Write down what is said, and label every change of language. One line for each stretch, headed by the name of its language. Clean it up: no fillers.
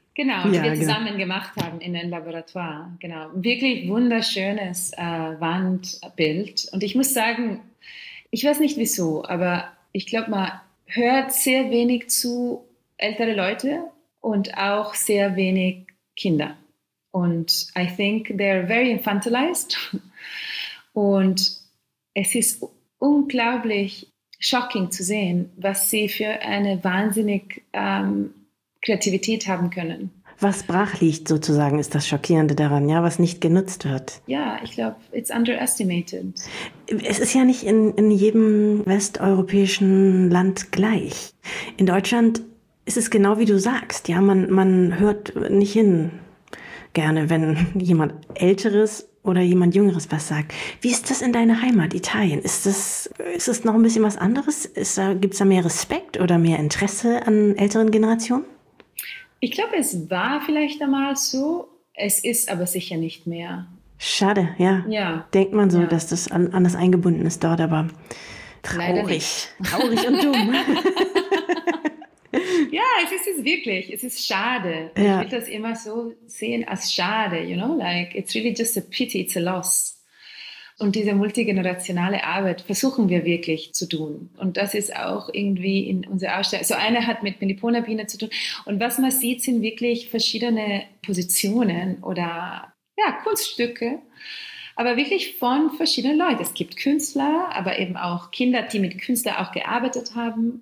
German: Genau, ja, wir zusammen genau. gemacht haben in einem Laboratoire. Genau, wirklich wunderschönes Wandbild. Und ich muss sagen, ich weiß nicht wieso, aber ich glaube, man hört sehr wenig zu ältere Leute und auch sehr wenig Kinder.
English: Und I think they're very infantilized.
German: Und es ist unglaublich shocking zu sehen, was sie für eine wahnsinnig Kreativität haben können. Was brach liegt sozusagen, ist das Schockierende daran, ja, was nicht genutzt wird. Ja, ich glaube,
English: it's underestimated.
German: Es ist ja nicht in jedem westeuropäischen Land gleich. In Deutschland ist es genau wie du sagst, ja, man hört nicht hin gerne, wenn jemand Älteres oder jemand Jüngeres was sagt. Wie ist das in deiner Heimat, Italien? Ist es noch ein bisschen was anderes? Gibt es da mehr Respekt oder mehr Interesse an älteren Generationen? Ich glaube, es war vielleicht einmal so. Es ist aber sicher nicht mehr. Schade, ja. Ja. Denkt man so, ja. dass das anders eingebunden ist dort, aber traurig. Traurig und dumm. Ja, es ist es wirklich. Es ist schade. Ja. Ich will das immer so sehen als schade,
English: you know? Like, it's really just a pity, it's a loss.
German: Und diese multigenerationale Arbeit versuchen wir wirklich zu tun. Und das ist auch irgendwie in unserer Ausstellung. So eine hat mit Melipona-Biene zu tun. Und was man sieht, sind wirklich verschiedene Positionen oder ja, Kunststücke. Aber wirklich von verschiedenen Leuten. Es gibt Künstler, aber eben auch Kinder, die mit Künstlern auch gearbeitet haben.